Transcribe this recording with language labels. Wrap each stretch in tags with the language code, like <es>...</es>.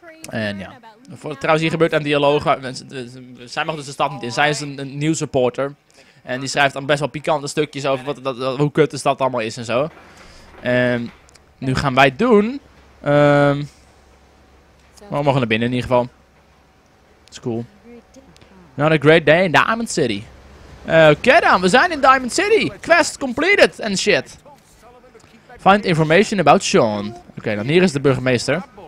<nl>En ja, trouwens hier gebeurt een dialoog, zij mag dus de stad niet in, zij is een nieuwsreporter. En die schrijft dan best wel pikante stukjes over hoe kut de stad allemaal is en zo. En nu gaan wij doen, we mogen naar binnen in ieder geval.</nl> <en>It's cool. Not a great day in Diamond City.</en> <nl>Oké dan, we zijn in Diamond City.</nl> <en>Quest completed and shit. Find information about Sean.</en> <nl>Oké, dan hier is de burgemeester.</nl>